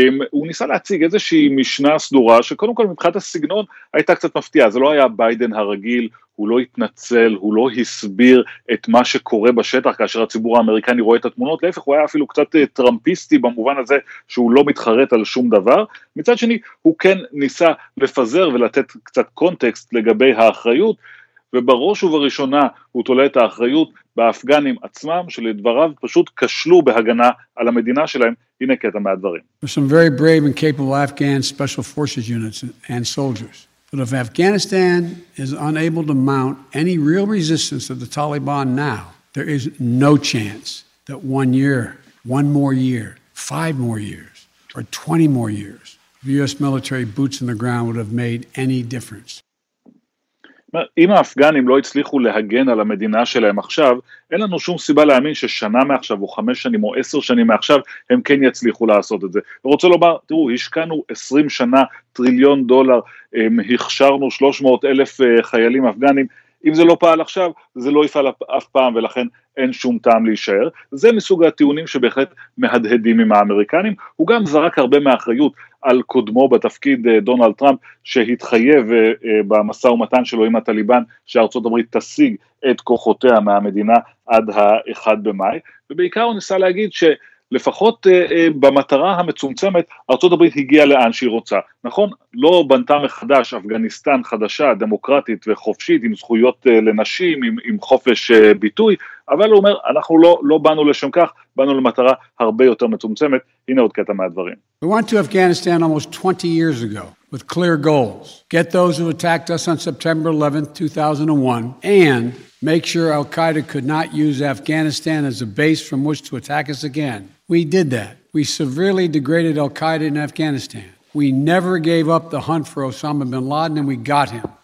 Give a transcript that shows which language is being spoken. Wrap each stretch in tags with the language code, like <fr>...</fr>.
<he>הוא ניסה להציג איזושהי משנה סדורה, שקודם כל מבחינת הסגנון הייתה קצת מפתיעה, זה לא היה ביידן הרגיל, הוא לא התנצל, הוא לא הסביר את מה שקורה בשטח, כאשר הציבור האמריקני רואה את התמונות, להפך הוא היה אפילו קצת טרמפיסטי במובן הזה, שהוא לא מתחרט על שום דבר. מצד שני, הוא כן ניסה לפזר ולתת קצת קונטקסט לגבי האחריות, ובראש ובראשונה הוא תולה את האחריות באפגנים עצמם, שלדבריו פשוט כשלו בהגנה על המדינה שלהם. הנה קטע מהדברים.</he> <en>There's some very brave and capable Afghan special forces units and soldiers. But if Afghanistan is unable to mount any real resistance to the Taliban now, there is no chance that one year, one more year, five more years, or 20 more years, the U.S. military boots on the ground would have made any difference.</en> <he>אם האפגנים לא הצליחו להגן על המדינה שלהם עכשיו, אין לנו שום סיבה להאמין ששנה מעכשיו או 5 שנים או 10 שנים מעכשיו, הם כן יצליחו לעשות את זה. ורוצה לומר, תראו, השקענו 20 שנה, טריליון דולר, הכשרנו 300,000 חיילים אפגנים, אם זה לא פעל עכשיו, זה לא יפעל אף פעם, ולכן אין שום טעם להישאר. זה מסוג הטיעונים שבהחלט מהדהדים עם האמריקנים. הוא גם זרק הרבה מהאחריות על קודמו בתפקיד דונלד טראמפ, שהתחייב במסע ומתן שלו עם הטליבן, שארצות הברית תשיג את כוחותיה מהמדינה עד ה-1 במאי, ובעיקר הוא ניסה להגיד ש... לפחות במטרה המצומצמת, ארצות הברית הגיעה לאן שהיא רוצה. נכון, לא בנתה מחדש אפגניסטן חדשה, דמוקרטית וחופשית, עם זכויות לנשים, עם חופש ביטוי, אבל הוא אומר, אנחנו לא באנו לשם כך, באנו למטרה הרבה יותר מצומצמת. הנה עוד קטע מהדברים.</he> <en>We went to Afghanistan almost 20 years ago, with clear goals. Get those who attacked us on September 11, 2001, and... make sure al-Qaeda could not use Afghanistan as a base from which to attack us again. We did that. We severely degraded al-Qaeda in Afghanistan. We never gave up the hunt for Osama bin Laden, and we got him.</en>